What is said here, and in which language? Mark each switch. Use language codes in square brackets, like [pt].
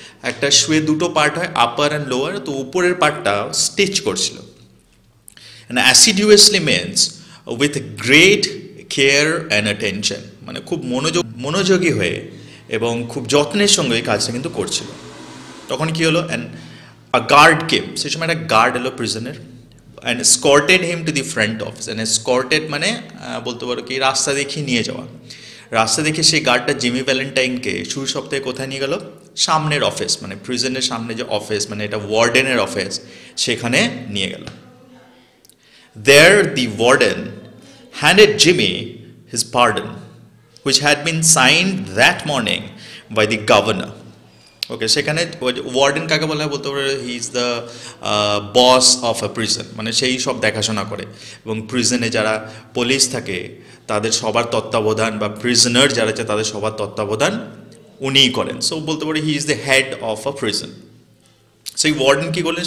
[bn] একটা শুয়ে দুটো পার্ট হয়, আপার অ্যান্ড লোয়ার, তো উপরের পার্টটা স্টিচ করছিল। [en] And assiduously means with great care and attention. [bn] মানে খুব মনোযোগী হয়ে এবং খুব যত্নের সঙ্গে কাজটা কিন্তু করছিল। তখন কী হলো? [en] And a guard came. [bn] সেই সময় একটা গার্ড এলো প্রিজনের [en] and escorted him to the front office. And escorted [bn] মানে বলতে পারো কি রাস্তা দেখিয়ে নিয়ে যাওয়া। রাস্তা দেখে সেই গার্ডটা জিমি ভ্যালেন্টাইনকে শুরু সপ্তাহে কোথায় নিয়ে গেল? সামনের অফিস, মানে প্রিজনের সামনে যে অফিস, মানে এটা ওয়ার্ডেনের অফিস, সেখানে নিয়ে গেল। [en] There the warden handed Jimmy his pardon, which had been signed that morning by the governor. [bn] Okay, সেখানে warden কাকে বলা হয় বলতে পারে? [en] he is the boss of a prison, [bn] মানে সেই সব দেখাশোনা করে। এবং প্রিজনে যারা পুলিশ থাকে তাদের সবার তত্ত্বাবধান, বা প্রিজনার যারা আছে তাদের সবার তত্ত্বাবধান উনিই করেন। সো বলতে পারে [en] He is the head of a prison. [bn] সেই ওয়ার্ডেন কী করলেন?